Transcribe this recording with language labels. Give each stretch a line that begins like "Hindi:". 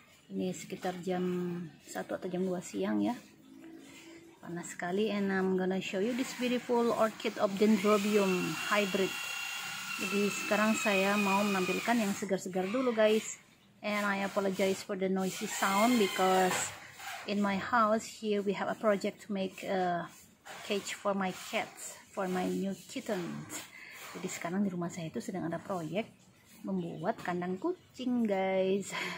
Indonesian: Ini sekitar jam 1 atau jam 2 siang ya. Panas sekali.
English: And I'm gonna show you this beautiful orchid of dendrobium hybrid.
Indonesian: Jadi sekarang saya mau menampilkan yang segar-segar dulu guys.
English: And I apologize for the noisy sound because in my house here we have a project to make a cage for my cats, for my new kittens.
Indonesian: Jadi sekarang di rumah saya itu sedang ada proyek membuat kandang kucing guys.